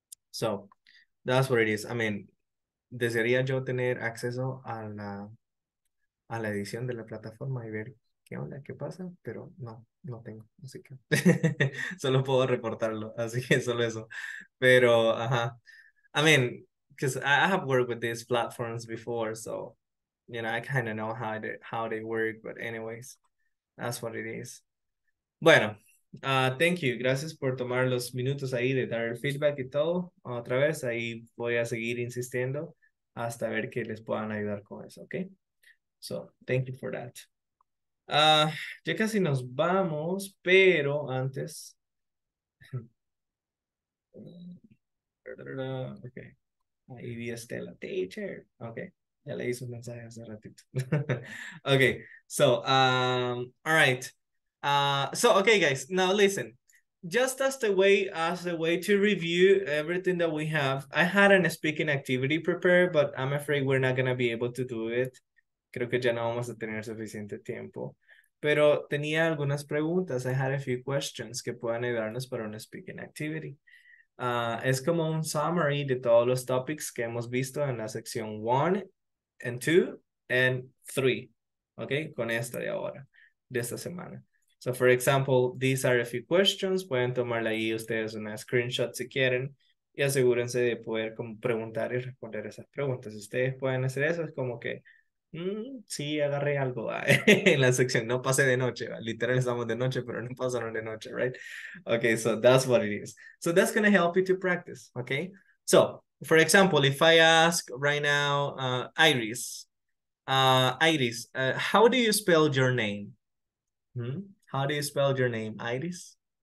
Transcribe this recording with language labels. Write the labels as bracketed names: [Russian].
[English] So, that's what it is. I mean, [Spanish] desearía yo tener acceso a la edición de la plataforma y ver qué onda, qué pasa, pero no tengo, así que solo puedo reportarlo, así que solo eso. Pero, ajá, [English] I mean, because I have worked with these platforms before, so, you know, I kind of know how they work, but anyways, that's what it is. [Spanish] Bueno, [English] thank you, [Spanish] gracias por tomar los minutos ahí de dar el feedback y todo, otra vez, ahí voy a seguir insistiendo hasta ver que les puedan ayudar con eso, ¿ok? [English] So, thank you for that. [Spanish] Ya casi nos vamos, pero antes. Okay. Ahí vi a Estela. Teacher. Okay. Ya le hice un mensaje hace ratito. Okay. [English] So, all right. Okay, guys. Now, listen. Just as a way to review everything that we have, I had a speaking activity prepared, but I'm afraid we're not going to be able to do it. [Spanish] Creo que ya no vamos a tener suficiente tiempo. Pero tenía algunas preguntas. [English] I had a few questions [Spanish] que puedan ayudarnos para una speaking activity. Es como un summary de todos los topics que hemos visto en la sección 1 and 2 and 3. Ok, con esta de ahora, de esta semana. [English] So, for example, these are a few questions. [Spanish] Pueden tomarle ahí ustedes una screenshot si quieren. Y asegúrense de poder como preguntar y responder esas preguntas. Ustedes pueden hacer eso, es como que... sí, agarré algo en la sección, no pasé de noche, ¿va? Literal estamos de noche, pero no pasaron de noche, [English] right? Okay, so that's what it is. So that's going to help you to practice, okay? So, for example, if I ask right now, Iris, how do you spell your name? How do you spell your name, Iris?